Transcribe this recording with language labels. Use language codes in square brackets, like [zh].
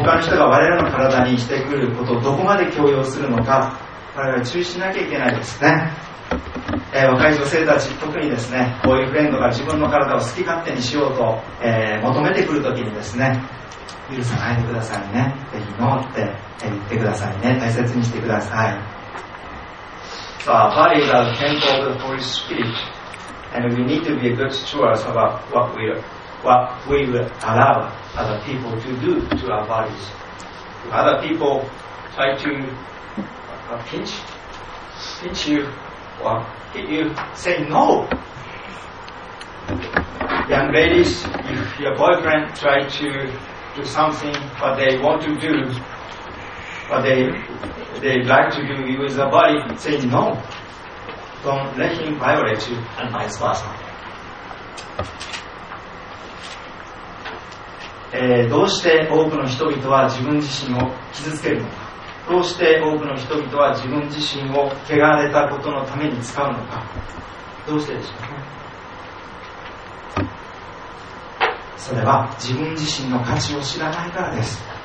[ja] 他の人が我々の体にしてくることをどこまで強要するのか、我々は注意しなきゃいけないですね。若い女性たち特にですね、ボーイフレンドが自分の体を好き勝手にしようと、求めてくるときにですね、許さないでくださいね、ぜひノーって言ってくださいね、大切にしてください。 [en] So our body is a temple of the Holy Spirit, and we need to be a good stewards about what we will allow other people to do to our bodies. If other people try to pinch youWell, can you say no? Young ladies, if your boyfriend try to do something what they want to do, what they like to do with their body, say no. Don't let him violate you and vice versa. [ja] どうして多くの人々は自分自身を傷つけるのか。どうして多くの人々は自分自身を汚れたことのために使うのか。どうしてでしょうか。それは自分自身の価値を知らないからです。